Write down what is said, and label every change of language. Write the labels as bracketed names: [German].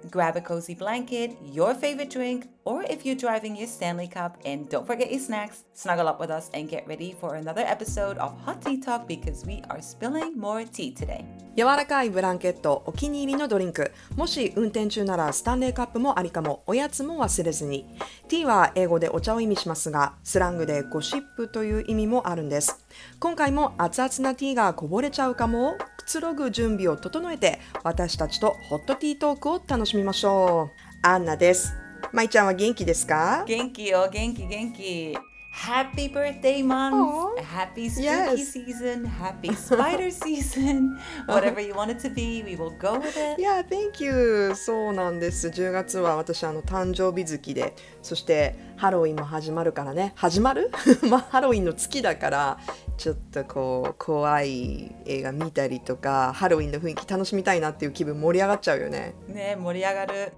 [English] Grab a cozy blanket, your favorite drink, or if you're driving your Stanley Cup, and don't forget your snacks, snuggle up with us and get ready for another episode of Hot Tea Talk because we are spilling more tea today. [Japanese] 柔らかいブランケット、お気に入りのドリンク。もし運転中ならスタンレーカップもありかも、おやつも忘れずに。ティーは英語でお茶を意味しますが、スラングでゴシップという意味もあるんです。今回も熱々なティーがこぼれちゃうかも、くつろぐ準備を整えて、私たちとホットティートークを楽しみましょう。アンナです。マイちゃんは元気ですか？元気よ、元気元気。 [English] Happy birthday month! Aww. Happy spooky、yes. season! Happy spider season! Whatever you want it to be, we will go with it! Yeah, thank you! [Japanese] そうなんです。 10月は私、誕生日月で、そしてハロウィンも始まるからね。始まる？まあ、ハロウィンの月だから、ちょっとこう、怖い映画見たりとか、ハロウィンの雰囲気楽しみたいなっていう気分盛り上がっちゃうよね。ね、盛り上がる。